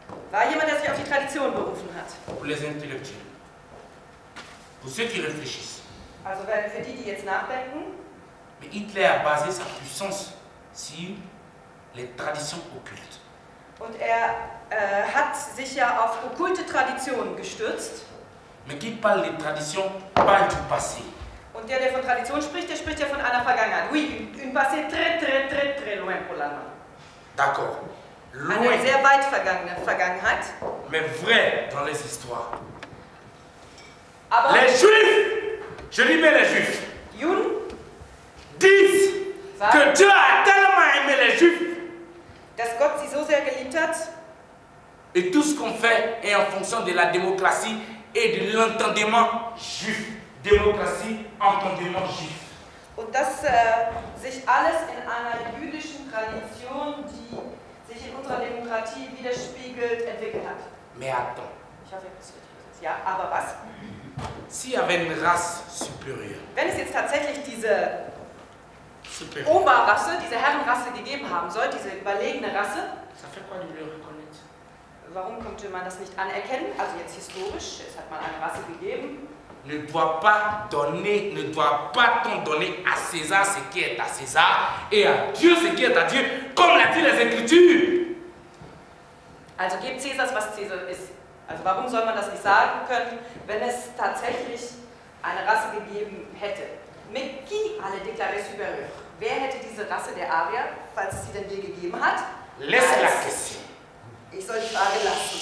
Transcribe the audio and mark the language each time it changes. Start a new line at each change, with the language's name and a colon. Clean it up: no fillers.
German: War jemand, der sich auf die Tradition berufen hat?
French: Pour les intellectuels. Pour ceux qui réfléchissent.
German: Also für die, die jetzt nachdenken.
French: Mais Hitler a basé sa puissance sur les traditions occultes.
German: Und er hat sich ja auf okkulte Traditionen gestürzt.
French: Mais qui parle des traditions parle du passé.
German: Und der, der von Tradition spricht, der spricht ja von einer Vergangenheit.
French: Oui, une passé très, très, très, très loin pour l'allemand. D'accord. Loin.
German: Eine sehr weit vergangene Vergangenheit.
French: Mais vrai dans les histoires.
German: Aber
French: les Juifs, je dis bien les Juifs.
German: Juden
French: disent que Dieu a tellement aimé les Juifs.
German: Dass Gott sie so sehr geliebt hat.
French: Et tout ce qu'on fait est en fonction de la démocratie et de l'entendement juif. Démocratie, entendement juif.
German: Und dass sich alles in einer jüdischen Tradition, die sich in unserer Demokratie widerspiegelt, entwickelt hat.
French: Mais attends.
German: Ich hoffe, es wird übersetzt. Ja, aber was?
French: S'il y avait une race supérieure.
German: Wenn es jetzt tatsächlich diese Oberrasse, diese Herrenrasse gegeben haben soll, diese überlegene Rasse.
French: Ça fait quoi, du reconnaître?
German: Warum konnte man das nicht anerkennen? Also jetzt historisch, es hat mal eine Rasse gegeben.
French: Ne doit pas donner, ne doit pas t'en donner à César ce qui est à César et à Dieu ce qui est à Dieu, comme l'a dit les Écritures.
German: Also gibt
French: César ce que César est.
German: Also warum soll man das nicht sagen können, wenn es tatsächlich eine Rasse gegeben hätte?
French: Mais qui a le déclaré supérieur?
German: Wer hätte diese Rasse der Arier, falls es sie denn je gegeben hat?
French: Laisse la question.
German: Ich soll die Frage lassen.